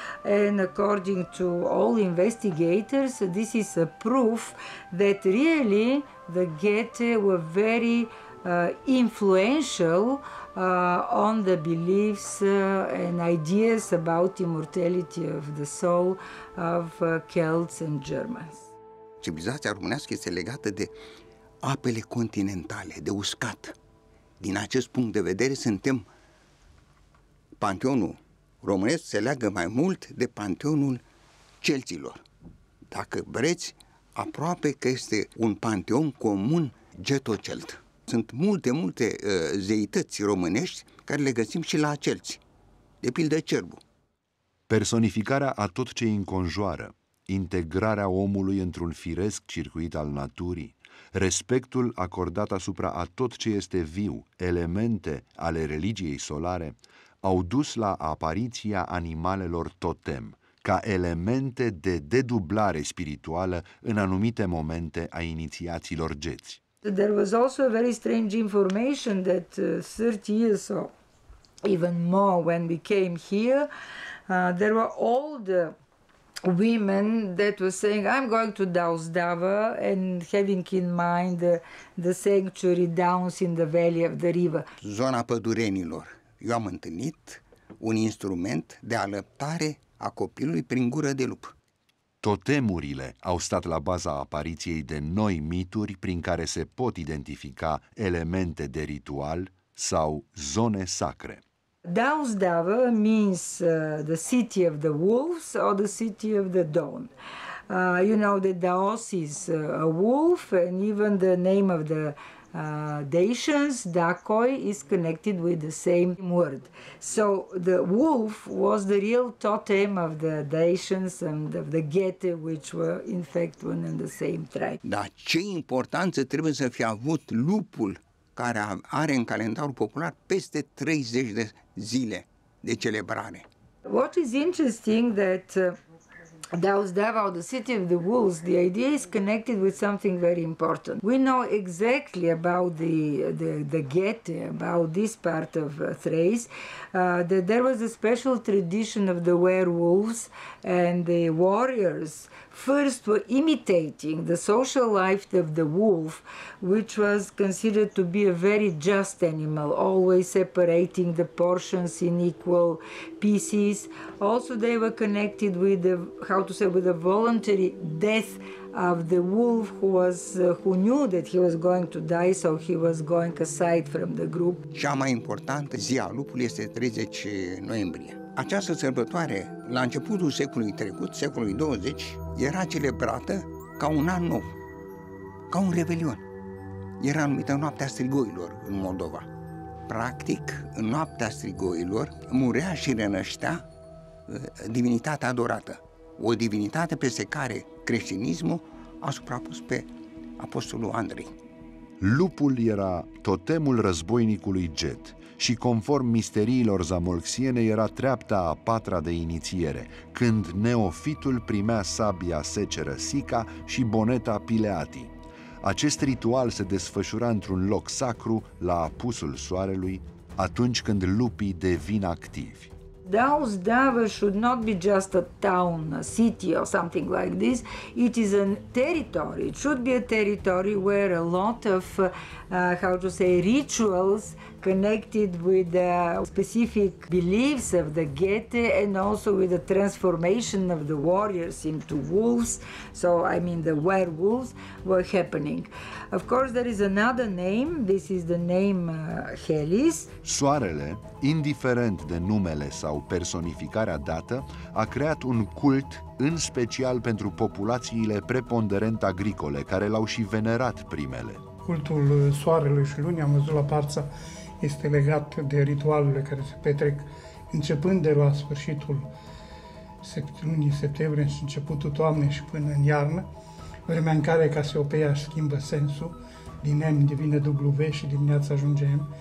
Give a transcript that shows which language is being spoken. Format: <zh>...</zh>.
<en>And according to all investigators, this is a proof that really the Getae were very influential on the beliefs and ideas about immortality of the soul of Celts and Germans.</en> <ro>Civilizația românească este legată de apele continentale, de uscat. Din acest punct de vedere, suntem panteonul românesc se leagă mai mult de panteonul celților. Dacă vreți, aproape că este un panteon comun geto-celt. Sunt multe, multe zeități românești care le găsim și la celți, de pildă cerbul. Personificarea a tot ce îi înconjoară, integrarea omului într-un firesc circuit al naturii, respectul acordat asupra a tot ce este viu, elemente ale religiei solare, au dus la apariția animalelor totem, ca elemente de dedublare spirituală în anumite momente a inițiațiilor geți.</ro> <en>There was also a very strange information that 30 years or even more when we came here, there were older women that were saying, I'm going to Dausdava, and having in mind the sanctuary downs in the valley of the river.</en> <ro>Zona pădurenilor. Eu am întâlnit un instrument de alăptare a copilului prin gură de lup. Totemurile au stat la baza apariției de noi mituri prin care se pot identifica elemente de ritual sau zone sacre.</ro> <en>Dausdava means the city of the wolves or the city of the dawn. You know that Daos is a wolf, and even the name of the Dacians, Dacoi, is connected with the same word. So the wolf was the real totem of the Dacians and of the Geti, which were in fact one and the same tribe.</en> <ro>Dar ce importanță trebuie să fie avut lupul care are în calendarul popular peste 30 de zile de celebrare?</ro> <en>What is interesting that Dausdava, the city of the wolves, the idea is connected with something very important. We know exactly about the Geti, about this part of Thrace, that there was a special tradition of the werewolves, and the warriors first were imitating the social life of the wolf, which was considered to be a very just animal, always separating the portions in equal pieces. Also, they were connected with the, how to say, with the voluntary death of the wolf who knew that he was going to die, so he was going aside from the group.</en> <ro>Cea mai importantă zi a lupului este 30 noiembrie. Această sărbătoare, la începutul secolului trecut, secolului 20, era celebrată ca un an nou, ca un revelion. Era numită Noaptea Strigoilor în Moldova. Practic, în Noaptea Strigoilor, murea și renăștea divinitatea adorată, o divinitate peste care creștinismul a suprapus pe apostolul Andrei. Lupul era totemul războinicului Get și, conform misteriilor zamolxiene, era treapta a patra de inițiere, când neofitul primea sabia seceră Sica și boneta Pileati. Acest ritual se desfășura într-un loc sacru, la apusul soarelui, atunci când lupii devin activi.</ro> <en>Dausdava should not be just a town, a city or something like this. It is a territory. It should be a territory where a lot of, how to say, rituals connected with the specific beliefs of the Geti and also with the transformation of the warriors into wolves, so I mean the werewolves, were happening. Of course, there is another name. This is the name Helis.</en> <ro>Soarele, indiferent de numele sau personificarea dată, a creat un cult în special pentru populațiile preponderent agricole care l-au și venerat primele. Cultul soarelui și lunii, am văzut la parță, este legat de ritualurile care se petrec începând de la sfârșitul lunii septembrie și începutul toamnei și până în iarnă, vremea în care Casiopeia schimbă sensul, din M devine W și dimineața ajunge M.</ro>